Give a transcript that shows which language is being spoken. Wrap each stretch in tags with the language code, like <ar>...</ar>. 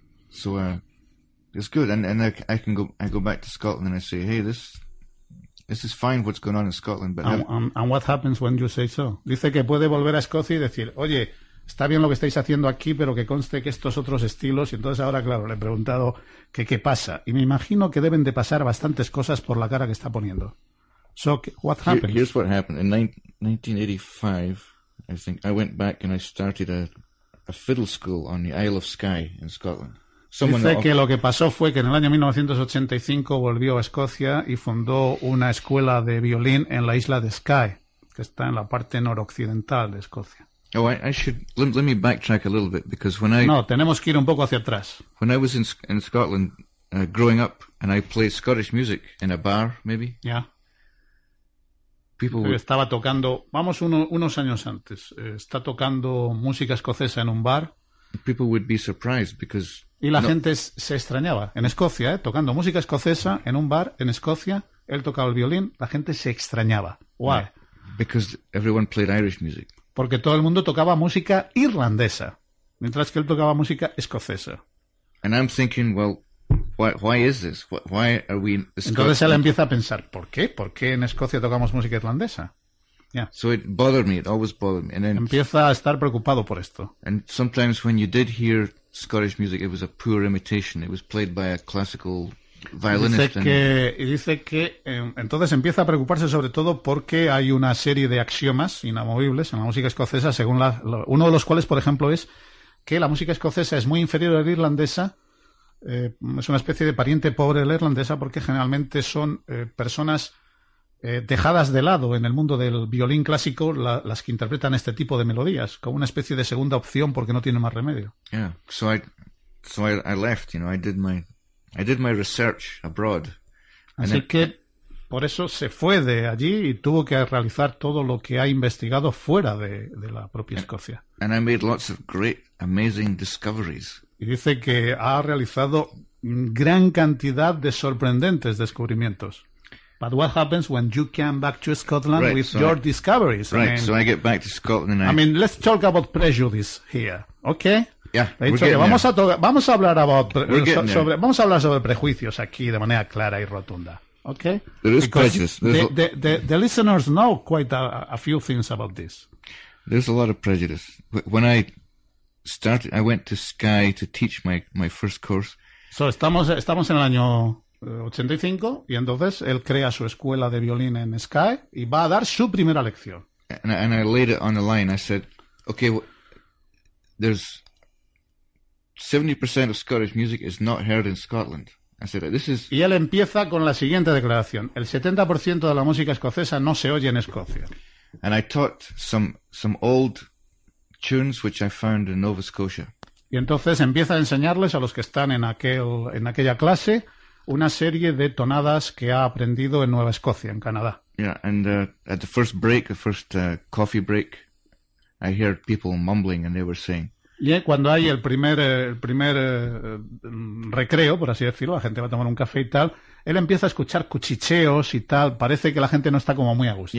<en>So, it's good, and I go back to Scotland and I say, hey, this is fine what's going on in Scotland, but and what happens when you say so?</en> <es>Dice que puede volver a Escocia y decir, oye, está bien lo que estáis haciendo aquí, pero que conste que estos otros estilos. Y entonces ahora, claro, le he preguntado que qué pasa. Y me imagino que deben de pasar bastantes cosas por la cara que está poniendo.</es> <en>So, what happened? Here's what happened. In 1985, I think, I went back and I started a fiddle school on the Isle of Skye in Scotland.</en> <es>Dice que lo que pasó fue que en el año 1985 volvió a Escocia y fundó una escuela de violín en la isla de Skye, que está en la parte noroccidental de Escocia.</es> <en>Oh, I should let me backtrack a little bit, because when I</en> <es>no tenemos que ir un poco hacia atrás.</es> <en>When I was in Scotland growing up and I played Scottish music in a bar, maybe. Yeah. People would...</en> <es>estaba tocando. Vamos unos años antes. Está tocando música escocesa en un bar.</es> <en>People would be surprised because</en> <es>y la gente se extrañaba. En Escocia, tocando música escocesa en un bar en Escocia, él tocaba el violín, la gente se extrañaba.</es> <en>Why? Because everyone played Irish music.</en> <es>Porque todo el mundo tocaba música irlandesa, mientras que él tocaba música escocesa.</es> <en>And I'm thinking, well, why is this? Why are we in Scotland?</en> <es>Entonces él empieza a pensar, ¿por qué? ¿Por qué en Escocia tocamos música irlandesa? Yeah.</es> <en>So it bothered me, it always bothered me. And then,</en> <es>empieza a estar preocupado por esto.</es> <en>And sometimes when you did hear Scottish music, it was a poor imitation. It was played by a classical violinist.</en> <es>Dice que entonces empieza a preocuparse sobre todo porque hay una serie de axiomas inamovibles en la música escocesa, según uno de los cuales, por ejemplo, es que la música escocesa es muy inferior a la irlandesa. Es una especie de pariente pobre de la irlandesa, porque generalmente son personas dejadas de lado en el mundo del violín clásico, las que interpretan este tipo de melodías, como una especie de segunda opción porque no tiene más remedio.</es> <en>Yeah, so I left, you know, I did my research abroad.</en> <es>Así que por eso se fue de allí y tuvo que realizar todo lo que ha investigado fuera de la propia Escocia.</es> <en>And I made lots of great, amazing discoveries.</en> <es>Y dice que ha realizado gran cantidad de sorprendentes descubrimientos.</es> <en>But what happens when you come back to Scotland discoveries? Right, I get back to Scotland and I mean, let's talk about prejudice here, okay? Yeah,</en> <es>he dicho que vamos a vamos a hablar sobre vamos a hablar sobre prejuicios aquí de manera clara y rotunda.</es> <en>Okay? There is prejudice. The listeners know quite a few things about this. There's a lot of prejudice. When I started, I went to Sky to teach my first course.</en> <es>So estamos en el año 85 y entonces él crea su escuela de violín en Sky y va a dar su primera lección.</es> <en>And I laid it on the line. I said, okay, there's 70% of Scottish music is not heard in Scotland. I said, this is...</en> <es>Y él empieza con la siguiente declaración. El 70% de la música escocesa no se oye en Escocia.</es> <en>And I taught some old tunes which I found in Nova Scotia.</en> <es>Y entonces empieza a enseñarles a los que están en aquella clase una serie de tonadas que ha aprendido en Nueva Escocia, en Canadá.</es> <en>Yeah, and at the first break, the first coffee break, I heard people mumbling and they were saying...</en> <es>Y cuando hay el primer recreo, por así decirlo, la gente va a tomar un café y tal, él empieza a escuchar cuchicheos y tal, parece que la gente no está como muy a gusto.</es>